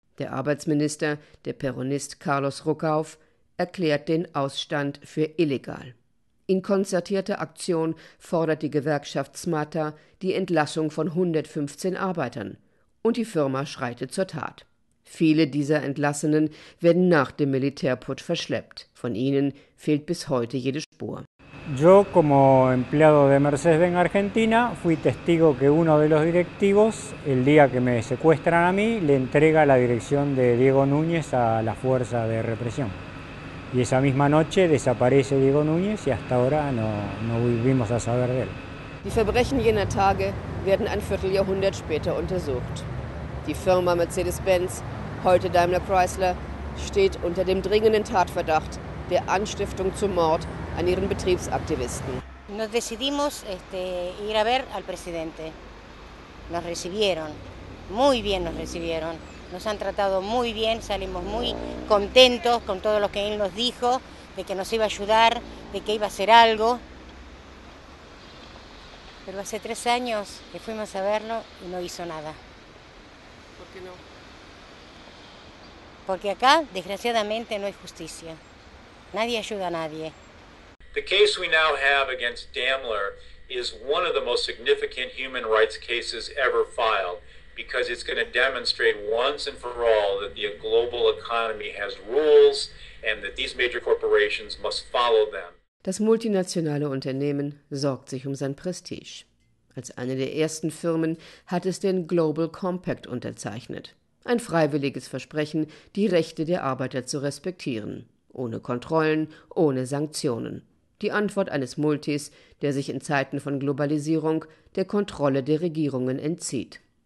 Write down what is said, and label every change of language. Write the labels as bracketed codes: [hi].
[de] Der Arbeitsminister, der Peronist Carlos Rucauf, erklärt den Ausstand für illegal. In konzertierter Aktion fordert die Gewerkschaft SMATA die Entlassung von 115 Arbeitern. Und die Firma schreitet zur Tat. Viele dieser Entlassenen werden nach dem Militärputsch verschleppt. Von ihnen fehlt bis heute jede Spur. [es] Yo, como empleado de Mercedes en Argentina, fui testigo que uno de los directivos, el día que me secuestran a mí, le entrega la dirección de Diego Núñez a la fuerza de represión. Y esa misma noche desaparece Diego Núñez y hasta ahora no volvimos a saber de él. [de] Die Verbrechen jener Tage werden ein Vierteljahrhundert später untersucht. Die Firma Mercedes-Benz, heute Daimler Chrysler, steht unter dem dringenden Tatverdacht der Anstiftung zum Mord an ihren Betriebsaktivisten. [es] Nos decidimos ir a ver al presidente. Nos recibieron. Muy bien nos recibieron. Nos han tratado muy bien, salimos muy contentos con todo lo que él nos dijo, de que nos iba a ayudar, de que iba a hacer algo. Pero hace tres años que fuimos a verlo y no hizo nada. ¿Por qué no? Porque acá, desgraciadamente, no hay justicia. Nadie ayuda a nadie. [en] The case we now have against Daimler is one of the most significant human rights cases ever filed, because it's going to demonstrate once and for all that the global economy has rules and that these major corporations must follow them. [de] Das multinationale Unternehmen sorgt sich um sein Prestige. Als eine der ersten Firmen hat es den Global Compact unterzeichnet. Ein freiwilliges Versprechen, die Rechte der Arbeiter zu respektieren. Ohne Kontrollen, ohne Sanktionen. Die Antwort eines Multis, der sich in Zeiten von Globalisierung der Kontrolle der Regierungen entzieht.